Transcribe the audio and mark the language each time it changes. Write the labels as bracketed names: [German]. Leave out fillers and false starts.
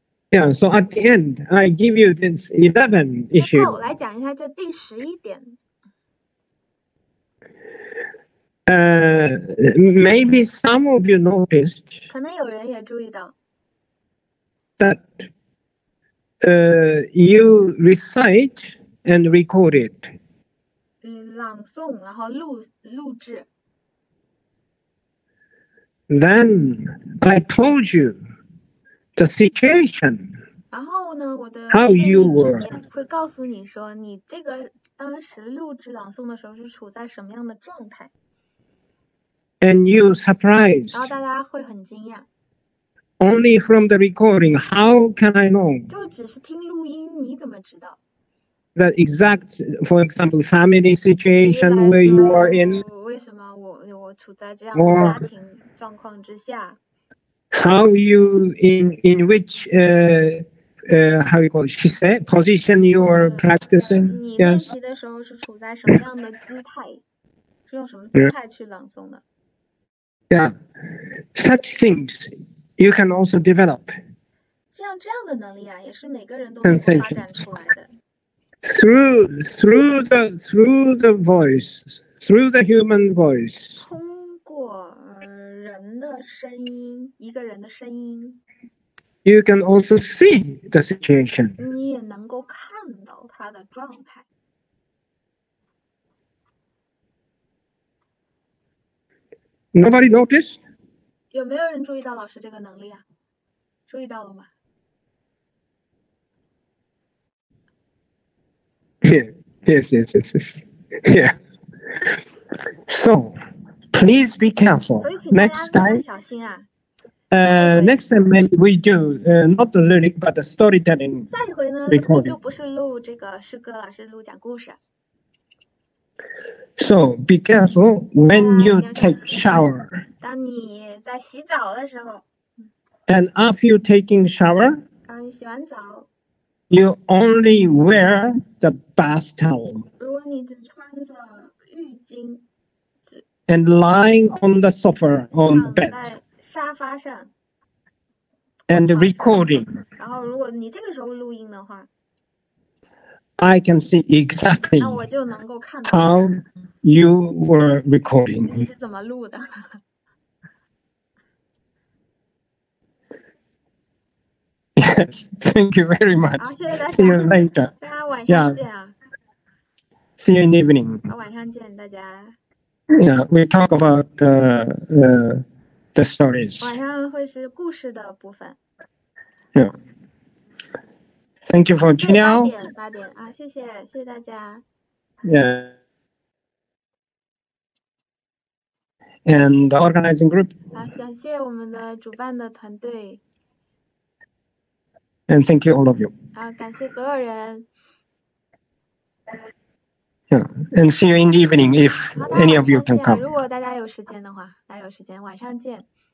[English] Yeah, so at the end, I give you this 11 issue. [Chinese] 那我来讲一下这第十一点。 [English] Maybe some of you noticed. [Chinese] 可能有人也注意到。 [English] That, you recite and record it. [Chinese] 朗诵，然后录制。 [English] Then I told you the situation. [Chinese] 然后呢，我的 [English] ，How you were. [Chinese] 会告诉你说，你这个当时录制朗诵的时候是处在什么样的状态。 [English] And you surprised. [Chinese] 然后大家会很惊讶。 [English] Only from the recording, how can I know? [Chinese] 就只是听录音，你怎么知道？ [English] The exact, for example, family situation where you are in. [Chinese] 为什么我处在这样的家庭状况之下？ [English] How you in which how you call it, she said position you are practicing? [Chinese] 你练习的时候是处在什么样的姿态？是用什么姿态去朗诵的？ [English] Yeah, such things you can also develop. [Chinese] 像这样的能力啊，也是每个人都能发展出来的。 [English] Through the voice, through the human voice. [Chinese] 通过人的声音，一个人的声音。 [English] You can also see the situation. [Chinese] 你也能够看到他的状态。 [English] Nobody noticed? [Chinese] 有没有人注意到老师这个能力啊？注意到了吗？ [English] Yes. Yeah. So, please be careful. Next time, [Chinese] 小心啊。 [English] Next time maybe we do not the lyric but the storytelling. [Chinese] 下一回呢，我就不是录这个诗歌了，是录讲故事。 [English] So be careful when you take shower. [Chinese] 当你在洗澡的时候。 [English] And after you taking shower. [Chinese] 当你洗完澡。 [English] You only wear the bath towel. [Chinese] 如果你只穿着浴巾。 [English] And lying on the sofa on bed. [Chinese] 躺在沙发上。 [English] And recording. [Chinese] 然后如果你这个时候录音的话。 [English] I can see exactly how you were recording. [Chinese] 你是怎么录的？ [English] Yes, thank you very much. [Chinese] 好，谢谢大家。 [English] See you later. [Chinese] 大家晚上见啊。 [English] Yeah. See you in the evening. [Chinese] 好，晚上见大家。 [English] Yeah, we talk about the stories. [Chinese] 晚上会是故事的部分。 [English] Yeah. Thank you for Gino. [Chinese] 八点啊，谢谢大家。 [English] Yeah. And the organizing group. [Chinese] 啊，感谢我们的主办的团队。 [English] And thank you all of you. [Chinese] 啊，感谢所有人。 [English] Yeah. And see you in the evening if any of you can come. [Chinese] 如果大家有时间的话，大家有时间晚上见。